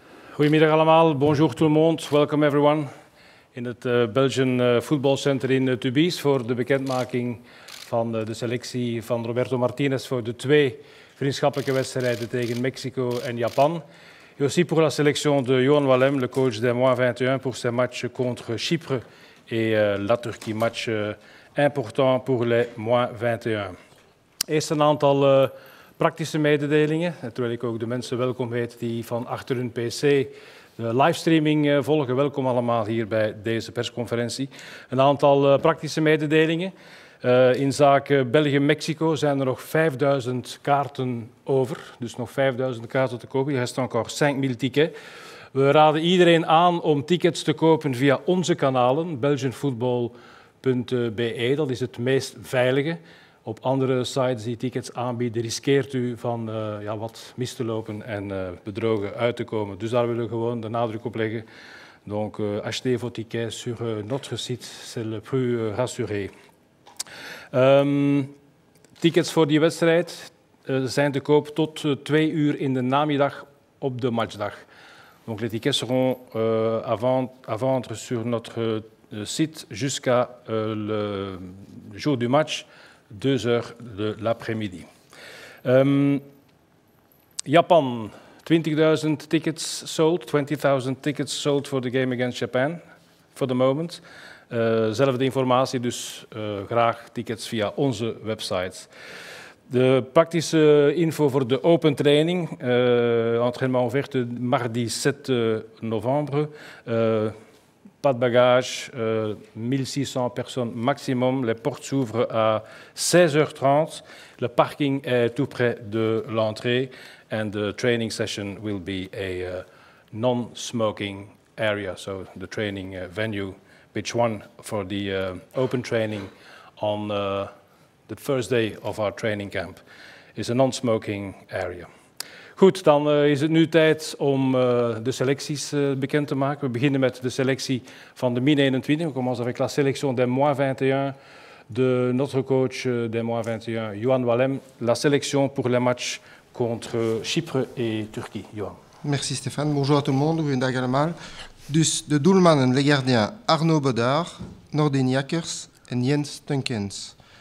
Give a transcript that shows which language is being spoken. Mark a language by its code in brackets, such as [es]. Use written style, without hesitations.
[nl] Goedemiddag allemaal, [fr] bonjour tout le monde, [en] welcome everyone [nl] in het Belgian Football Center in Tubis voor de bekendmaking van de selectie van Roberto Martinez voor de twee vriendschappelijke wedstrijden tegen Mexico en Japan. [fr] Et aussi pour la sélection de Johan Wallem, le coach des moins 21, pour ses matchs contre Chypre et la Turquie. Match important pour les moins 21. [nl] Eerst een aantal praktische mededelingen. Terwijl ik ook de mensen welkom heet die van achter hun PC de livestreaming volgen. Welkom allemaal hier bij deze persconferentie. Een aantal praktische mededelingen. In zaak België-Mexico zijn er nog 5000 kaarten over. Dus nog 5000 kaarten te kopen. Er zijn nog 5000 tickets. We raden iedereen aan om tickets te kopen via onze kanalen. Belgianfootball.be, dat is het meest veilige. Op andere sites die tickets aanbieden, riskeert u van wat mis te lopen en bedrogen uit te komen. Dus daar willen we gewoon de nadruk op leggen. [fr] Donc, achetez vos tickets sur notre site, c'est le plus rassuré. [nl] Tickets voor die wedstrijd zijn te koop tot 2 uur in de namiddag op de matchdag. [fr] Donc, les tickets seront à vendre sur notre site jusqu'à le jour du match. [nl] 2 uur [fr] de l'après-midi. [en] Japan, 20.000 tickets sold. 20.000 tickets sold for the game against Japan, for the moment. [nl] Zelfde informatie, dus graag tickets via onze website. De praktische info voor de open training. [fr] Entraînement ouverte mardi 7 novembre. Pas de bagage, 1600 personnes maximum. Les portes s'ouvrent à 16h30. Le parking est tout près de l'entrée. [en] And the training session will be a non-smoking area, so the training venue, which one for the open training on the first day of our training camp, is a non-smoking area. [nl] Goed, dan is het nu tijd om de selecties bekend te maken. We beginnen met de selectie van de min 21. We komen als [fr] avec la sélection des moins 21 [nl] de notre coach des moins 21, Johan Wallem. [fr] La sélection pour les matchs contre Chypre et Turquie. Johan. Merci Stéphane. Bonjour à tout le monde. [nl] Goedendag allemaal. Dus de doelmannen, [fr] les gardiens Arnaud Bodard, Nordin Jakkers en Jens Tunkens.